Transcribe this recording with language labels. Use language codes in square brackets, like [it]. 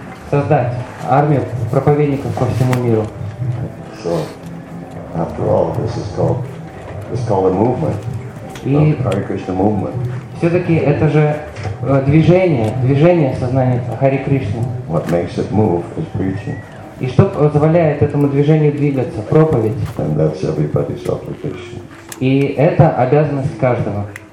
[ru] Создать армию проповедников по всему миру. [en] So, after all, this is called a movement. Hare Krishna movement. [ru] Все-таки это же движение сознания Хари Кришны. [en] What makes it move is preaching. [ru] И что позволяет этому движению двигаться? Проповедь. [en] And that's everybody's obligation. [ru] И это обязанность каждого.